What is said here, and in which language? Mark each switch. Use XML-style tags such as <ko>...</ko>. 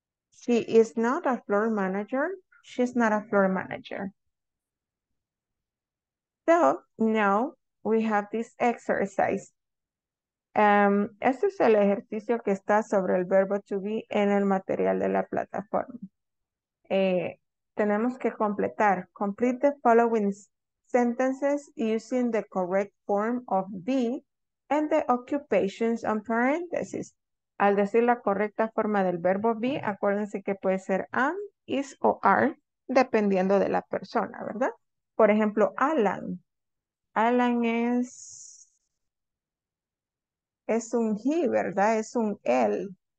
<en>She is not a floor manager. She's not a floor manager. So now we have this exercise.</en> <es>Este es el ejercicio que está sobre el verbo to be en el material de la plataforma. Tenemos que completar.</es> <en>Complete the following sentences using the correct form of be and the occupations on parentheses.</en> <es>Al decir la correcta forma del verbo be, acuérdense que puede ser am, is o are, dependiendo de la persona, ¿verdad? Por ejemplo, Alan. Alan es un he, ¿verdad? Es un él.</es>